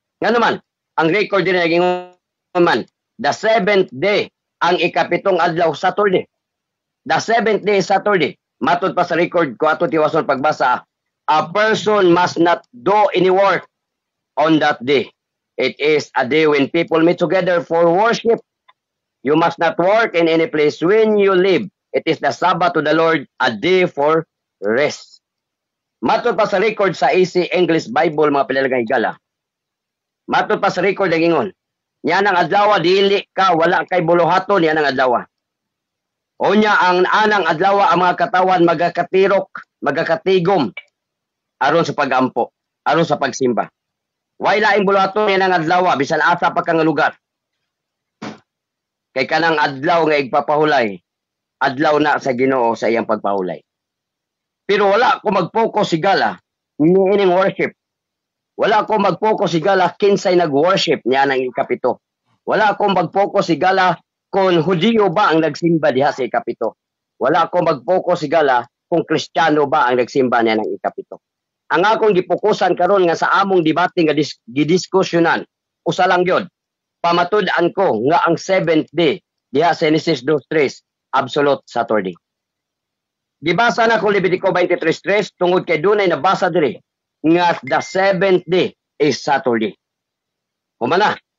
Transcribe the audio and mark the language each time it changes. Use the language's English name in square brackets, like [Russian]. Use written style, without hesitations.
[Cebuano] Nga naman, ang record diri naging naman. [English] The seventh day [Cebuano] ang ikapitong adlaw [English] Saturday. The seventh day is Saturday. [Cebuano] Matod pa sa record ko ato tiwason pagbasa. [English] A person must not do any work on that day. It is a day when people meet together for worship. You must not work in any place when you live. It is the Sabbath to the Lord, a day for rest. [Cebuano] Matod pa sa record sa Easy English Bible, mga pinalagang higala. Matod pa sa record, nagingon. Niya nang adlawa, dili ka, wala kay buluhato, niya nang adlawa. O niya, ang anang adlawa, ang mga katawan, magakatirok, magakatigom. Aron sa pag-ampo, aron sa pagsimba. Why laing buluhato niya ng adlawa, bisan asa pa kang lugar. Kay kanang adlaw nga igpapahulay, adlaw na sa Ginoo sa iyang pagpahulay. Pero wala ko mag-focus si Gala, meaning worship. Wala ko mag-focus si Gala, kinsay nag-worship niya ng ikapito. Wala ko mag-focus si Gala, kung Hudyo ba ang nagsimba diha sa ikapito. Wala ko mag-focus si Gala, kung Kristiyano ba ang nagsimba niya ng ikapito. Ang akong gipukusan karon nga sa among debate nga gidiskusyonan usa lang gyud pamatud-an ko nga ang seventh day diha sa Genesis 2:3 absolute Saturday. Gibasa na ko Levitico 23:3 tungod kay dunay nabasa diri nga [English] the seventh day is Saturday. [Cebuano] Humana.